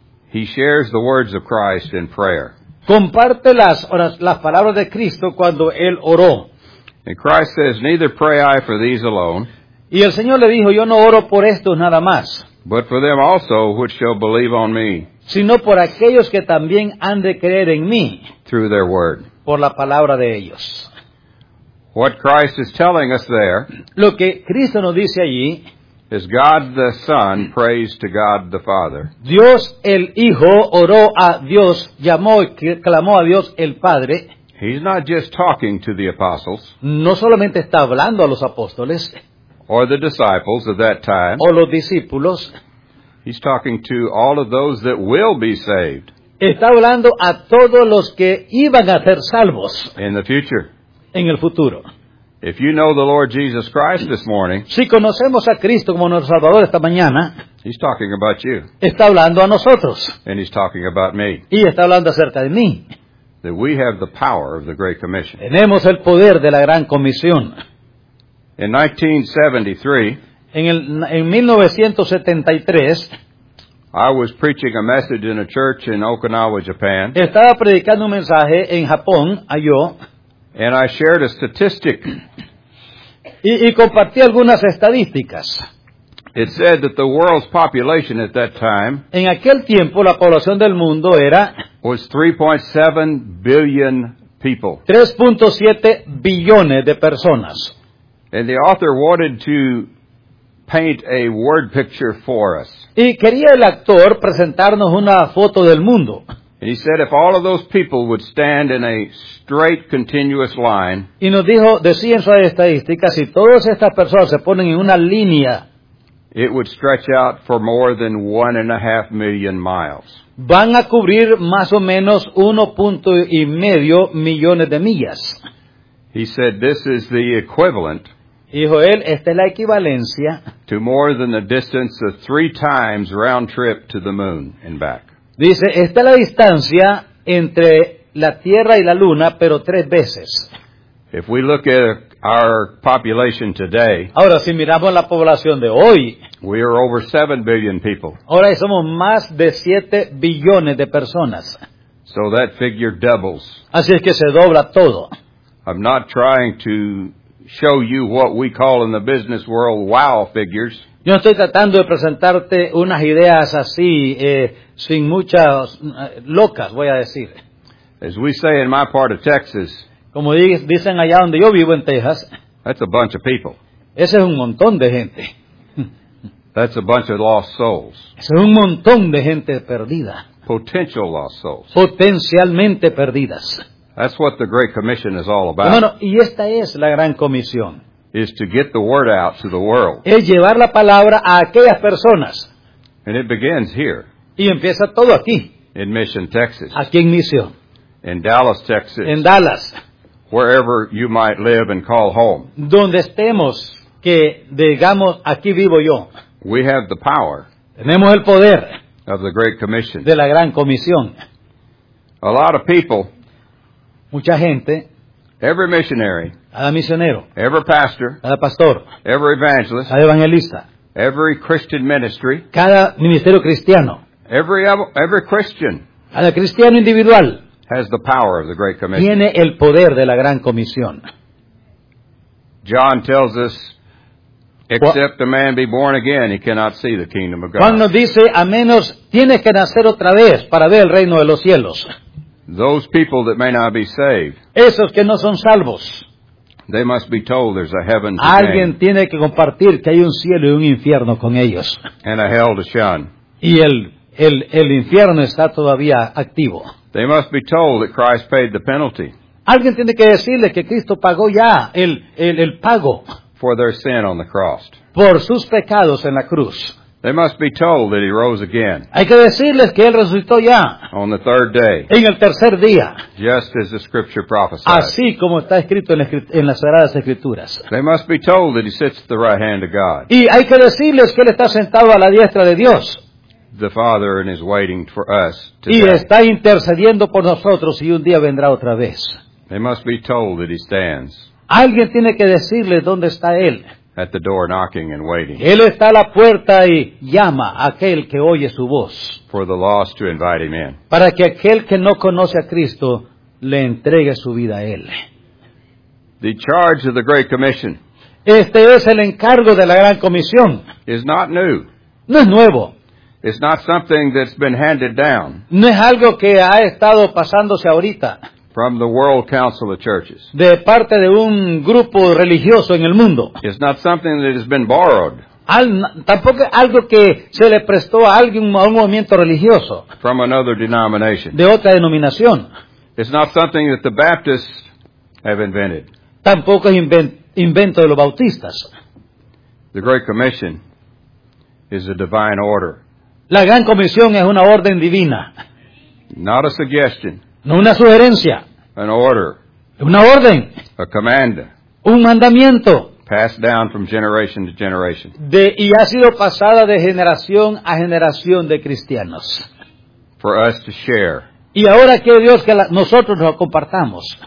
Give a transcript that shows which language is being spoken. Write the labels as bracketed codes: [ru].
[en] He shares the words of Christ in prayer. [es] Comparte las palabras de Cristo cuando él oró. [en] And Christ says, neither pray I for these alone. [es] Y el Señor le dijo, yo no oro por estos nada más. [en] But for them also which shall believe on me. [es] Sino por aquellos que también han de creer en mí. [en] Through their word. [es] Por la palabra de ellos. [en] What Christ is telling us there. [es] Lo que Cristo nos dice allí. [en] Is God the Son prays to God the Father. [es] Dios el Hijo oró a Dios, llamó y clamó a Dios el Padre. [en] He's not just talking to the apostles. [es] No solamente está hablando a los apóstoles. [en] Or the disciples of that time. [es] O los discípulos. [en] He's talking to all of those that will be saved. [es] Está hablando a todos los que iban a ser salvos. [en] In the future. [es] En el futuro. [en] If you know the Lord Jesus Christ this morning. [es] Si conocemos a Cristo como nuestro Salvador esta mañana. [en] He's talking about you. [es] Está hablando a nosotros. [en] And he's talking about me. [es] Y está hablando acerca de mí. [en] That we have the power of the Great Commission. [es] Tenemos el poder de la Gran Comisión. [en] In 1973, [es] en 1973, [en] I was preaching a message in a church in Okinawa, Japan. [es] Estaba predicando un mensaje en Japón, yo. [en] And I shared a statistic. [es] Y compartí algunas estadísticas. [en] It said that the world's population at that time. [es] En aquel tiempo la población del mundo era. [en] Was 3.7 billion people. [es] 3.7 billones de personas. [en] And the author wanted to paint a word picture for us. [es] Y quería el actor presentarnos una foto del mundo. [en] And he said if all of those people would stand in a straight continuous line. [es] Y nos dijo, decía en su estadística, si todas estas personas se ponen en una línea. [en] It would stretch out for more than 1.5 million miles. [es] Van a cubrir más o menos 1.5 millones de millas. [en] He said this is the equivalent. [es] Dijo él, esta es la equivalencia. [en] To more than the distance of 3 times round trip to the moon and back. [es] Dice, esta es la distancia entre la Tierra y la Luna, pero 3 veces. [en] If we look at our population today, [es] ahora, si miramos la población de hoy, [en] we are over 7 billion people. [es] Ahora somos más de 7 billones de personas. [en] So that figure doubles. [es] Así es que se dobla todo. [en] I'm not trying to show you what we call in the business world wow figures. [es] Yo estoy tratando de presentarte unas ideas así, sin muchas locas, voy a decir. [en] As we say in my part of Texas, [es] como dicen allá donde yo vivo en Texas, [en] that's a bunch of people. [es] Ese es un montón de gente. [en] That's a bunch of lost souls. [es] Ese es un montón de gente perdida. [en] Potential lost souls. [es] Potencialmente perdidas. [en] That's what the Great Commission is all about. [es] Bueno, y esta es la Gran Comisión. [en] Is to get the word out to the world. [es] Es llevar la palabra a aquellas personas. [en] And it begins here. [es] Y empieza todo aquí. [en] In Mission, Texas. [es] Aquí en Misión. [en] In Dallas, Texas. [es] En Dallas. [en] Wherever you might live and call home. [es] Donde estemos, que digamos, aquí vivo yo. [en] We have the power. [es] Tenemos el poder. [en] Of the Great Commission. [es] De la Gran Comisión. [en] A lot of people. [es] Mucha gente. [en] Every missionary. [es] Cada misionero. [en] Every pastor. [es] Cada pastor. [en] Every evangelist. [es] Cada evangelista. [en] Every Christian ministry. [es] Cada ministerio cristiano. [en] Every Christian. [es] Cada cristiano individual. [en] Has the power of the Great Commission. [es] Tiene el poder de la Gran Comisión. [en] John tells us, except a man be born again, he cannot see the kingdom of God. [es] Juan nos dice, a menos tienes que nacer otra vez para ver el reino de los cielos. [en] Those people that may not be saved. [es] Esos que no son salvos. [en] They must be told there's a heaven to gain. [es] Alguien tiene que compartir que hay un cielo y un infierno con ellos. [en] And a hell to shun. [es] Y el infierno está todavía activo. [en] They must be told that Christ paid the penalty. [es] Alguien tiene que decirle que Cristo pagó ya el pago. [en] For their sin on the cross. [es] Por sus pecados en la cruz. [en] They must be told that he rose again. [es] Hay que decirles que él resucitó ya. [en] On the third day. [es] En el tercer día. [en] Just as the scripture prophesied. [es] Así como está escrito en las sagradas escrituras. [en] They must be told that he sits at the right hand of God. [es] Y hay que decirles que él está sentado a la diestra de Dios. [en] The Father and is waiting for us today. [es] Y está intercediendo por nosotros y un día vendrá otra vez. [en] They must be told that he stands. [es] Alguien tiene que decirle dónde está él. [en] At the door knocking and waiting. [es] Él está a la puerta y llama a aquel que oye su voz. [en] For the lost to invite him in. [es] Para que aquel que no conoce a Cristo le entregue su vida a él. [en] The charge of the Great Commission. [es] Este es el encargo de la Gran Comisión. [en] Is not new. [es] No es nuevo. [en] It's not something that's been handed down. [es] No es algo que ha estado pasándose ahorita. [en] From the World Council of Churches. [es] De parte de un grupo religioso en el mundo. [en] It's not something that has been borrowed. [es] Tampoco algo que se le prestó a alguien, a un movimiento religioso. [en] From another denomination. [es] De otra denominación. [en] It's not something that the Baptists have invented. [es] Tampoco es invento de los bautistas. [en] The Great Commission is a divine order. [es] La Gran Comisión es una orden divina. [en] Not a suggestion. [es] No una sugerencia. [en] An order. [es] Una orden. [en] A command. [es] Un mandamiento. [en] Passed down from generation to generation. [es] Y ha sido pasada de generación a generación de cristianos. [en] For us to share. [es] Y ahora quiere Dios que nosotros lo compartamos.